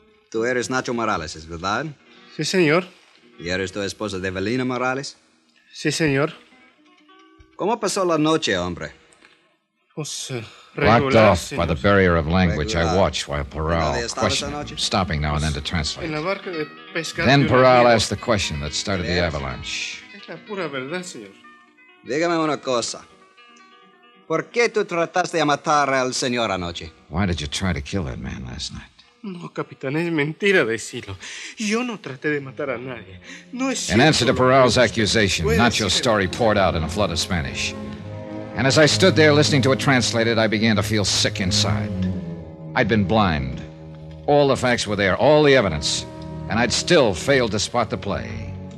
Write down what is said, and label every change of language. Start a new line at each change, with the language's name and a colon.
Spanish: Tú eres Nacho Morales, es verdad? Sí, señor. ¿Y eres tu esposa Evelina Morales? Sí, señor. ¿Cómo pasó la noche, hombre? Pues,
English: blocked off senor. By the barrier of language, regular. I watched while Peral questioned him, stopping now and then to translate.
Spanish: En la barca de pescar,
English: then Peral asked the question that started the avalanche.
Spanish: Es la pura verdad, señor. Dígame una cosa. ¿Por qué tú trataste de matar al señor anoche?
English: Why did you try to kill that man last night?
Spanish: No, capitán, es mentira decirlo. Yo no traté de matar a nadie. No es
English: in answer to Peral's accusation, Nacho's story poured out in a flood of Spanish. And as I stood there listening to it translated, I began to feel sick inside. I'd been blind. All the facts were there, all the evidence, and I'd still failed to spot the play.